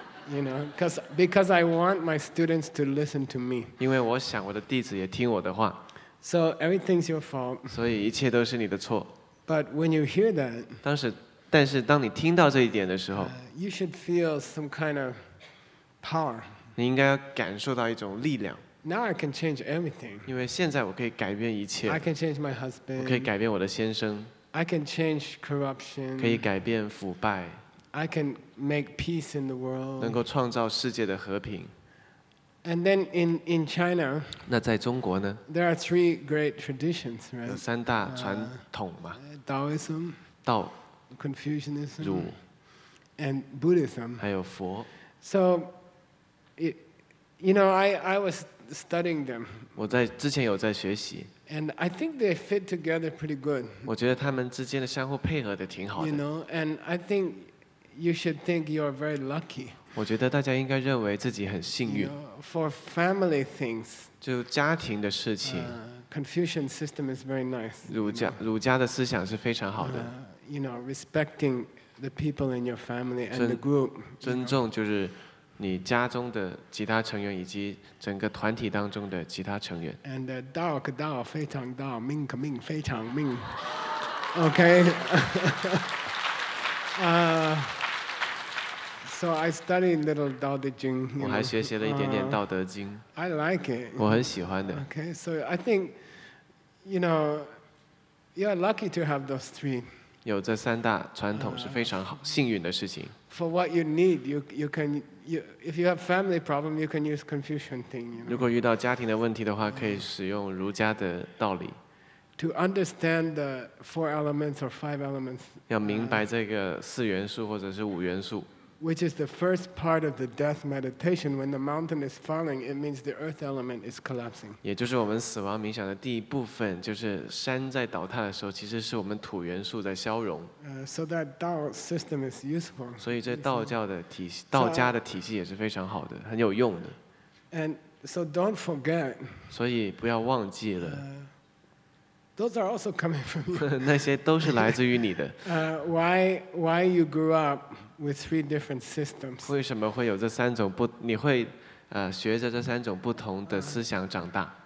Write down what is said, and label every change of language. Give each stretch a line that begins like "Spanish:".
English: You know, because I want my students to listen to me.
Chinese: 因为我想我的弟子也听我的话。
English: So everything's your fault.
Chinese: 所以一切都是你的错。
English: But when you hear that,
Chinese: 但是当你听到这一点的时候，
English: you should feel some kind of power.
Chinese: 你应该感受到一种力量。
English: Now I can change everything.
Chinese: 因为现在我可以改变一切。
English: I can change my husband.
Chinese: 我可以改变我的先生。
English: I can change corruption.
Chinese: 可以改变腐败。
English: I can make peace in the world.
Chinese: 能够创造世界的和平。
English: And then in China,
Chinese: 那在中国呢？
English: There are three great traditions, right?
Chinese: 有三大传统嘛。
English: Taoism,
Chinese: 道
English: Confucianism,
Chinese: 儒
English: and Buddhism,
Chinese: 还有佛。
English: So, I was studying them.
Chinese: 我在之前有在学习。
English: And I think they fit together pretty good.
Chinese: 我觉得他们之间的相互配合的挺好的。
English: You know, and I think you should think you are very lucky.
Chinese: 我觉得大家应该认为自己很幸运。
English: For family things,
Chinese: 就家庭的事情。
English: Confucian system is very nice.
Chinese: 儒家的思想是非常好的。
English: You know, respecting the people in your family and the group.
Chinese: 尊重就是你家中的其他成员以及整个团体当中的其他成员。 And Dao ke Dao, 非常 Dao, Ming ke Ming, 非常 Ming. Okay.
English: So I study a little Tao Te Ching.
Chinese: 我还学习了一点点道德经。
English: I like it.
Chinese: 我很喜欢的。
English: Okay, so I think, you know, you are lucky to have those three.
Chinese: 有这三大传统是非常好幸运的事情。
English: For what you need, if you have family problem, you can use Confucian thing. You know?
Chinese: 如果遇到家庭的问题的话，可以使用儒家的道理。
English: To understand the four elements or five elements.
Chinese: 要明白这个四元素或者是五元素。
English: Which is the first part of the death meditation when the mountain is falling, it means the earth element is collapsing.
Chinese: 也就是我们死亡冥想的第一部分，就是山在倒塌的时候，其实是我们土元素在消融。
English: So that Tao system is useful.
Chinese: 所以这道教的体系，道家的体系也是非常好的，很有用的。
English: And so don't forget.
Chinese: 所以不要忘记了。
English: Those are also coming from you.
Chinese: 那些都是来自于你的。
English: Why you grew up with three different systems?
Chinese: 为什么会有这三种不？你会学着这三种不同的思想长大。